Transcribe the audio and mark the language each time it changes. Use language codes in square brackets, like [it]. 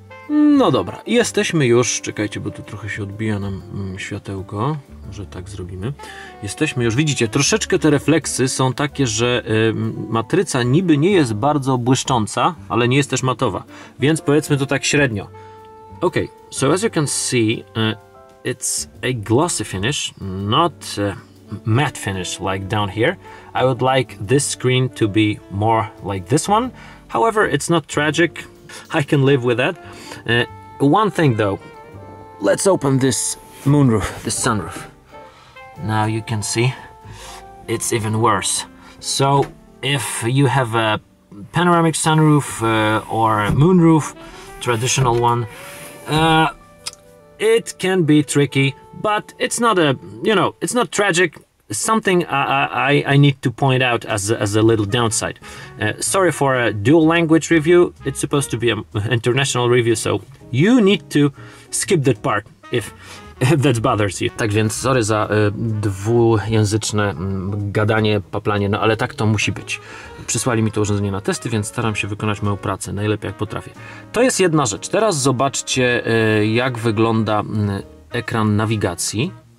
[pl] No dobra, jesteśmy już, czekajcie, bo tu trochę się odbija nam światełko. Może tak zrobimy. Jesteśmy już, widzicie, troszeczkę te refleksy są takie, że matryca niby nie jest bardzo błyszcząca, ale nie jest też matowa, więc powiedzmy to tak średnio. [en] Ok, so as you can see, it's a glossy finish, not a matte finish like down here. I would like this screen to be more like this one. However, it's not tragic, I can live with that. One thing though, let's open this moonroof, the sunroof. Now you can see it's even worse. So if you have a panoramic sunroof or a moonroof, traditional one, it can be tricky, but it's not a, you know, it's not tragic. Something I need to point out as a little downside. Sorry for a dual language review. It's supposed to be an international review, so you need to skip that part if that bothers you. [pl] Tak więc sorry za dwujęzyczne gadanie, paplanie, no ale tak to musi być. Przysłali mi to urządzenie na testy, więc staram się wykonać moją pracę najlepiej jak potrafię. To jest jedna rzecz. Teraz zobaczcie, jak wygląda ekran nawigacji.